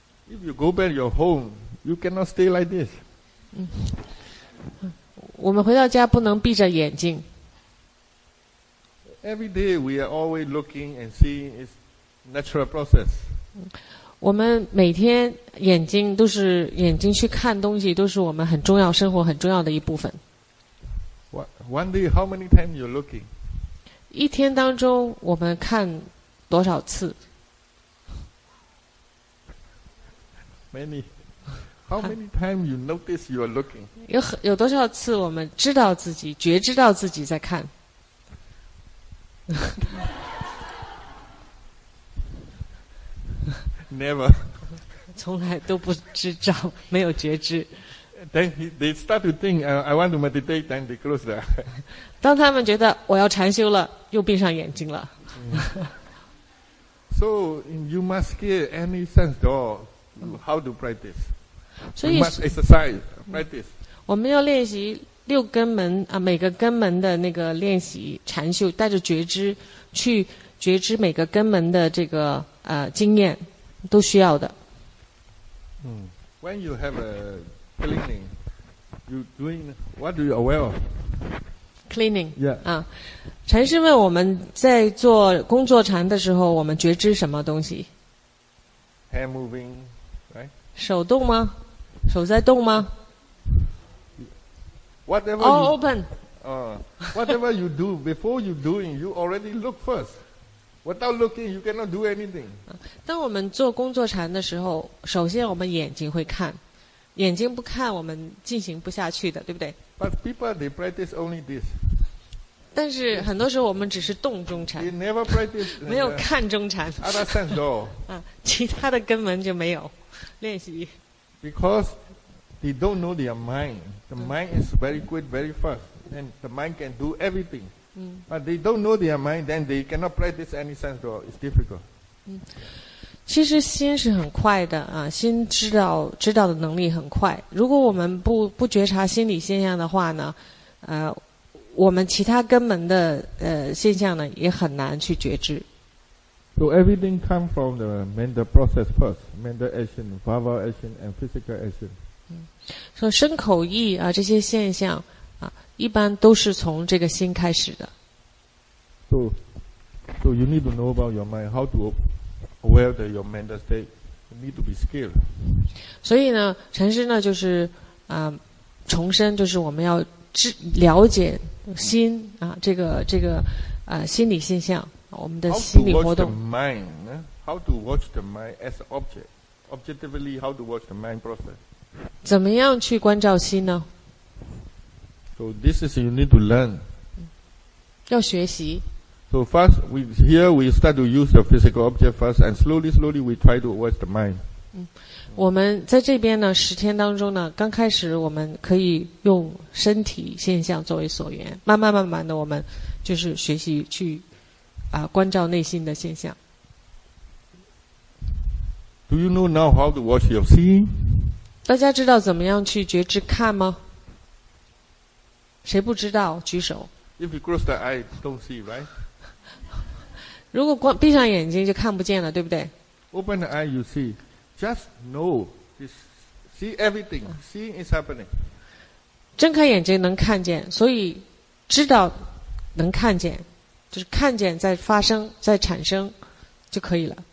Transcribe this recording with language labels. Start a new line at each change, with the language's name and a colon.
English: If you go back to your home, you cannot stay like this.
Chinese: 我们回到家不能闭着眼睛。
English: Every day we are always looking and seeing its natural process.
Chinese: 我们每天眼睛都是眼睛去看东西，都是我们很重要生活很重要的一部分。
English: One day, how many times you're looking?
Chinese: 一天当中我们看多少次？
English: Many. How many times you notice you are looking?
Chinese: 有多少次我们知道自己觉知到自己在看？
English: Never.
Chinese: 从来都不知道，没有觉知。
English: Then they start to think, I want to meditate. Then they close their eyes.
Chinese: 当他们觉得我要禅修了，又闭上眼睛了。
English: So you must get any sense at all. How to practice?
Chinese: 所以
English: must exercise, practice.
Chinese: 我们要练习六根门啊，每个根门的那个练习禅修，带着觉知去觉知每个根门的这个经验，都需要的。
English: When you have a cleaning, you doing what do you aware of? Cleaning. Yeah.
Chinese: 啊，禅师问我们在做工作禅的时候，我们觉知什么东西
English: ？Hand moving.
Chinese: 手动吗？手在动吗
English: ？Whatever. All open. Whatever you do before you doing, you already look first. Without looking, you cannot do anything.
Chinese: 当我们做工作禅的时候，首先我们眼睛会看，眼睛不看，我们进行不下去的，对不对
English: ？But people they practice only this.
Chinese: 但是很多时候我们只是动中禅。
English: They never practice.
Chinese: 没有看中禅。
English: Other sense though.
Chinese: 其他的根本就没有。练习
English: because they don't know their mind. The mind is very quick, very fast, and the mind can do everything. But they don't know their mind, then they cannot practice any sense at all. It's difficult.
Chinese: 其实心是很快的啊，心知道的能力很快。如果我们不觉察心理现象的话呢，我们其他根本的现象呢也很难去觉知。
English: So everything comes from the mental process first, mental action, verbal action, and physical action.
Chinese: So 身口意啊，这些现象啊，一般都是从这个心开始的。
English: So you need to know about your mind, how to aware that your mental state. You need to be skilled.
Chinese: 所以呢，禅师呢就是重申，就是我们要了解心啊，这个心理现象。我们的心理活动。
English: How to watch the mind? How to watch the mind as object? Objectively, how to watch the mind process?
Chinese: 怎么样去关照心呢
English: ？So this is you need to learn.
Chinese: 要学习。
English: So first, we start to use the physical object first, and slowly we try to watch the mind.
Chinese: 我们在这边呢，十天当中呢，刚开始我们可以用身体现象作为所缘，慢慢的，我们就是学习去。啊，关照内心的现象。
English: Do you know now how to watch your seeing?
Chinese: 大家知道怎么样去觉知看吗？谁不知道举手
English: ？If you close the eyes, don't see, right?
Chinese: 如果闭上眼睛就看不见了，对不对
English: ？Open the eye, you see. Just know, see everything. Seeing is happening.
Chinese: 睁开眼睛能看见，所以知道能看见。就是看见在发生在产生就可以了